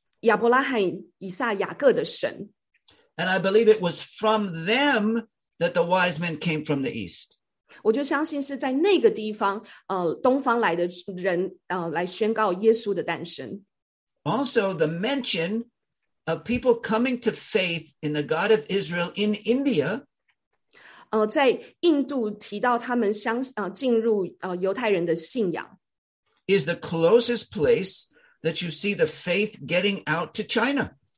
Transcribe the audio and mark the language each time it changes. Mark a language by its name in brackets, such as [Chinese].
[Chinese] 在印度的人因着以斯帖他们相信了亚伯拉罕以撒雅各的神。 [English] And I believe it was from them that the wise men came from the East. [Chinese] 我就相信是在那个地方,东方来的人来宣告耶稣的诞生。 [English] Also, the mention of people coming to faith in the God of Israel in India. [Chinese] 在印度提到他们进入犹太人的信仰。 [English] Is the closest place that you see the faith getting out to China.